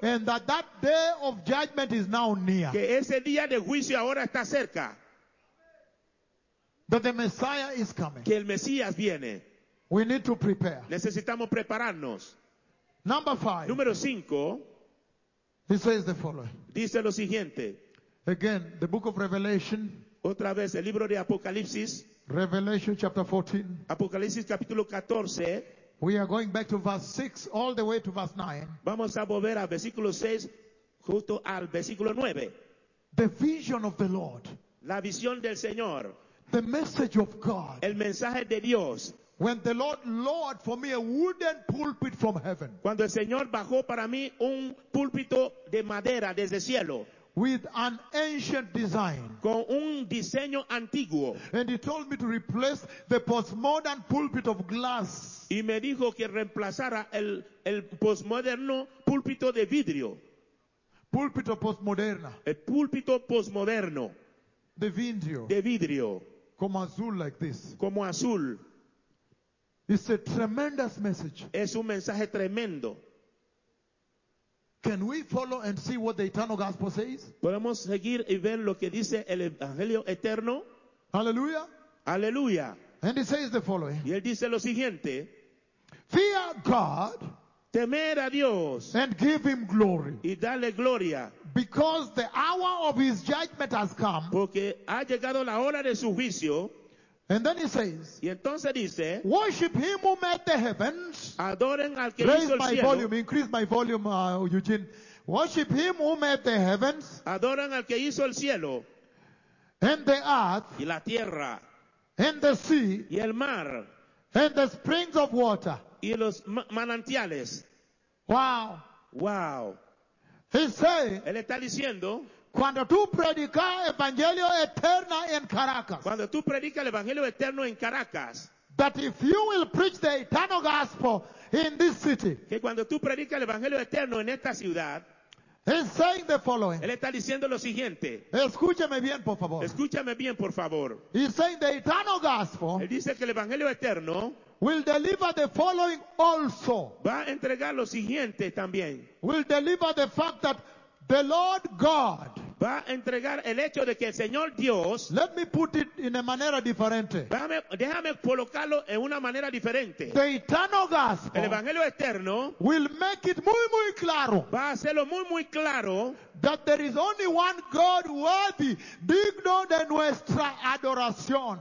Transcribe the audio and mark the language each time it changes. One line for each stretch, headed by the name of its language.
English: And that day of judgment is now near.
Spanish: Que ese día de juicio ahora está cerca.
English: That the Messiah is coming.
Spanish: Que el Mesías viene.
English: We need to prepare.
Spanish: Necesitamos prepararnos.
English: Number five.
Spanish: Número cinco.
English: He says the following.
Spanish: Dice lo siguiente.
English: Again, the book of Revelation.
Spanish: Otra vez, el libro de Apocalipsis.
English: Revelation chapter 14.
Spanish: Apocalipsis capítulo 14.
English: We are going back to verse 6 all the way to verse 9.
Spanish: Vamos a volver al versículo 6 justo al versículo 9.
English: The vision of the Lord.
Spanish: La visión del Señor.
English: The message of God.
Spanish: El mensaje de Dios.
English: When the Lord lowered for me a wooden pulpit from heaven.
Spanish: Cuando el Señor bajó para mí un púlpito de madera desde el cielo.
English: with an ancient design.
Spanish: Con un diseño antiguo.
English: And he told me to replace the postmodern pulpit of glass.
Spanish: Y me dijo que reemplazara el postmoderno púlpito de vidrio. Pulpito postmoderna. El púlpito postmoderno. De vidrio. De vidrio. Como azul,
English: like this.
Spanish: Como azul.
English: It's a tremendous message.
Spanish: Es un mensaje tremendo.
English: Can we follow and see what the eternal gospel says?
Spanish: Podemos seguir y ver lo que dice el evangelio eterno. Hallelujah. Hallelujah.
English: And it says the following.
Spanish: Y él dice lo siguiente.
English: Fear God.
Spanish: Temer a Dios.
English: And give him glory.
Spanish: Y dale gloria.
English: Because the hour of his judgment has come.
Spanish: Porque ha llegado la hora de su juicio.
English: And then he says,
Spanish: y entonces dice,
English: worship him who made the heavens.
Spanish: Adoren al que
English: raise
Spanish: hizo el
English: my
Spanish: cielo.
English: Volume, increase my volume, Eugene. Worship him who made the heavens.
Spanish: Adoren al que hizo el cielo.
English: And the earth.
Spanish: Y la tierra.
English: And the sea.
Spanish: Y el mar.
English: And the springs of water.
Spanish: Y los manantiales. Wow. Wow.
English: He say,
Spanish: él está diciendo, cuando tú predicas evangelio eterno en Caracas. Cuando tú predicas el evangelio eterno en Caracas.
English: That if you will preach the eternal gospel in this city.
Spanish: Que cuando tú predicas el evangelio eterno en esta ciudad.
English: He's saying the following.
Spanish: Él está diciendo lo siguiente. Escúchame bien, por favor. Escúchame bien, por favor.
English: He's saying the eternal gospel.
Spanish: Él dice que el evangelio eterno
English: will deliver the following also.
Spanish: Va a entregar lo siguiente también.
English: Will deliver the fact that the Lord God
Spanish: va a entregar el hecho de que el Señor Dios,
English: let me put it in a
Spanish: manera diferente. Déjame colocarlo en una manera diferente.
English: The eternal gospel,
Spanish: el evangelio eterno,
English: will make it
Spanish: muy muy claro. Va a hacerlo muy muy claro.
English: That there is only one God worthy,
Spanish: digno de nuestra adoración.